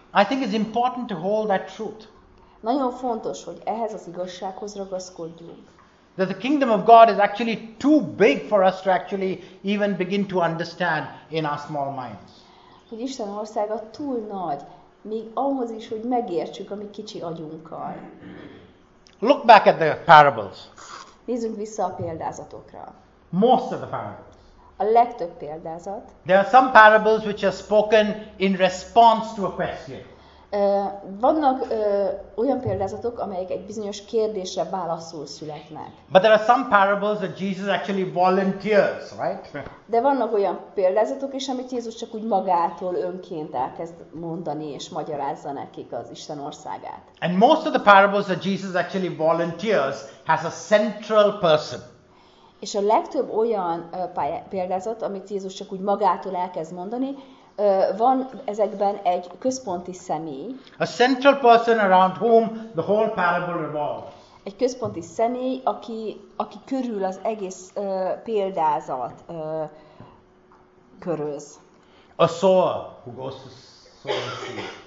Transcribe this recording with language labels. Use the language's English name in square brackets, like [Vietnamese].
[English] I think it's important to hold that truth. [Hungarian] Nagyon fontos, hogy ehhez az igazsághoz ragaszkodjunk. [English] That the kingdom of God is actually too big for us to actually even begin to understand in our small minds. [Hungarian] Hogy Isten országa túl nagy, még ahhoz is, hogy megértsük a mi kicsi agyunkkal. [English] Look back at the parables. [Hungarian] Nézzünk vissza a példázatokra. [English] Most of the parables. [Hungarian] A legtöbb példázat. [English] There are some parables which are spoken in response to a question. [Hungarian] Vannak olyan példázatok, amelyek egy bizonyos kérdésre válaszul születnek. [English] But there are some parables that Jesus actually volunteers, right? [Hungarian] De vannak olyan példázatok is, amit Jézus csak úgy magától önként elkezd mondani és magyarázza nekik az Isten országát. [English] And most of the parables that Jesus actually volunteers has a central person. [Hungarian] És a legtöbb olyan példázat, amit Jézus csak úgy magától elkezd mondani, van ezekben egy központi személy. [English] A central person around whom the whole parable revolves. [Hungarian] Egy központi személy, aki körül az egész példázat köröz. [English] A sower who goes to sow the seed.